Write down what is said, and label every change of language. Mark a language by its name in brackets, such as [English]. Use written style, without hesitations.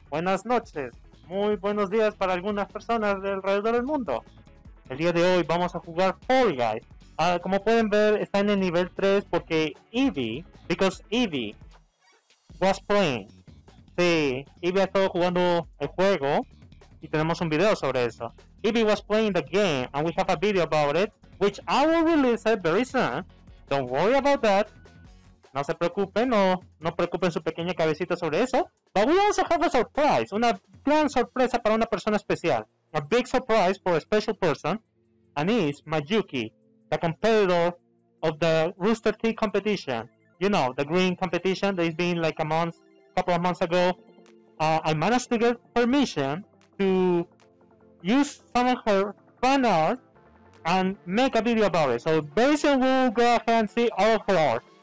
[Spanish] Buenas noches, muy buenos días para algunas personas de alrededor del mundo. El día de hoy vamos a jugar Fall Guys. Como pueden ver, está en el nivel 3 porque [English] Eevee was playing. [Spanish] Sí, Eevee ha estado jugando el juego y tenemos un video sobre eso. [English] Eevee was playing the game and we have a video about it, which I will release it very soon. Don't worry about that. [Spanish] No se preocupen, no preocupen su pequeña cabecita sobre eso. [English] But we also have a surprise, [Spanish] una gran sorpresa para una persona especial. [English] A big surprise for a special person, and it's Mayuki, the competitor of the Rooster Teeth competition. You know, the green competition that has been like a couple of months ago. I managed to get permission to use some of her fan art and make a video about it. So very soon we'll go ahead and see all of her art.